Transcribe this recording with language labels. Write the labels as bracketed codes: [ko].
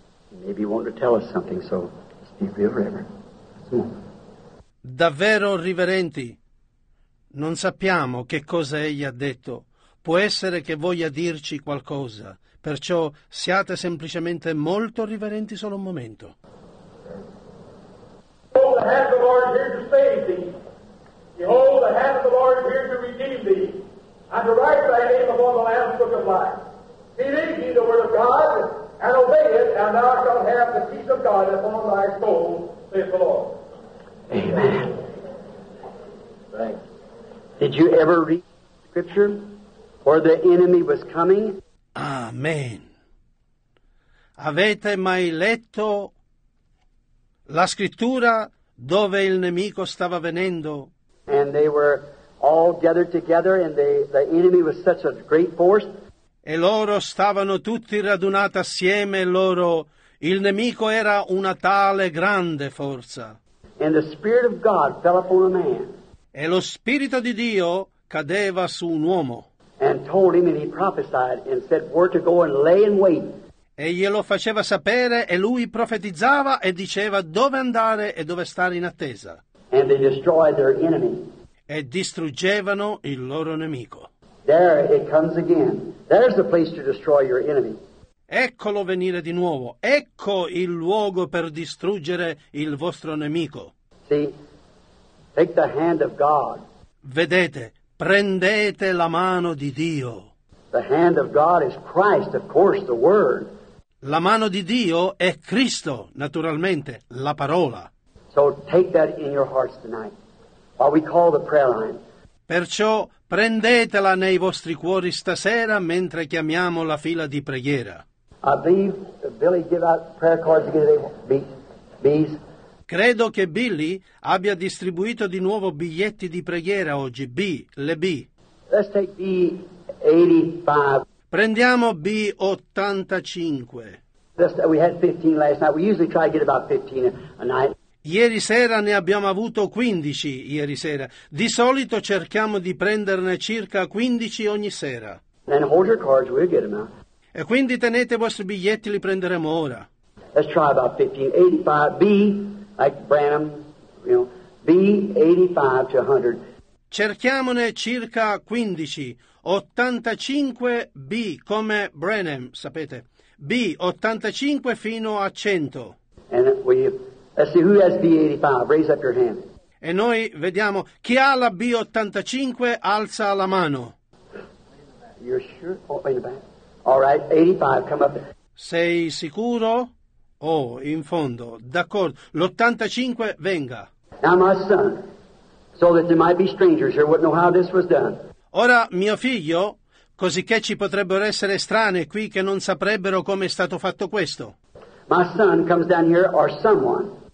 [en] He maybe wanted to tell us something, so just be real reverent. [it] Davvero riverenti, non sappiamo che cosa egli ha detto. Può essere che voglia dirci qualcosa, perciò siate semplicemente molto riverenti solo un momento. [en] Behold, the hand of the Lord is here to save thee. Behold, the hand of the Lord is here to redeem thee, and to write thy name upon the Lamb's book of life. Believe ye the word of God, and obey it, and thou shalt have the peace of God upon thy soul, saith the Lord. Amen. Thanks. Did you ever read Scripture? Or the enemy was coming. Amen. [it] Avete mai letto la scrittura dove il nemico stava venendo? [en] And they were all gathered together, and the enemy was such a great force. [it] E loro stavano tutti radunati assieme. Loro, il nemico era una tale grande forza. [en] And the Spirit of God fell upon a man. [it] E lo Spirito di Dio cadeva su un uomo. [en] And told him, and he prophesied, and said, "We're to go and lay in wait." [it] E glielo faceva sapere, e lui profetizzava e diceva dove andare e dove stare in attesa. [en] And they destroyed their enemy. [it] E distruggevano il loro nemico. [en] There it comes again. There's the place to destroy your enemy. [it] Eccolo venire di nuovo. Ecco il luogo per distruggere il vostro nemico. [en] See, take the hand of God. [it] Vedete. Prendete la mano di Dio. [en] The hand of God is Christ, of course, the Word. [it] La mano di Dio è Cristo, naturalmente, la parola. [en] So take that in your hearts tonight, while we call the prayer line. [it] Perciò prendetela nei vostri cuori stasera mentre chiamiamo la fila di preghiera. [en] I believe Billy gave out prayer cards again today. Bees. [it] Credo che Billy abbia distribuito di nuovo biglietti di preghiera oggi. B, le B. [en] Let's take B 85. [it] Prendiamo B 85. [en] We had 15 last night. We usually try to get about 15 a night. [it] Ieri sera ne abbiamo avuto 15 ieri sera. Di solito cerchiamo di prenderne circa 15 ogni sera. [en] Then hold your cards, we'll get them out. [it] E quindi tenete i vostri biglietti, li prenderemo ora. [en] Let's try about 15, 85, B, like Branham, you know, B, 85 to 100. [it] Cerchiamone circa 15, 85 B, come Branham, sapete, B, 85 fino a 100. [en] And we, let's see who has B, 85, raise up your hand. [it] E noi vediamo, chi ha la B, 85, alza la mano. [en] You're sure? Oh, in the back. All right, 85, come up. [it] Sei sicuro? Oh, in fondo, d'accordo. L'85 venga. [en] Now my son, so that there might be strangers here, wouldn't know how this was done. [it] Ora mio figlio, cosicché ci potrebbero essere strane qui che non saprebbero come è stato fatto questo. [en] My son comes down here, or someone.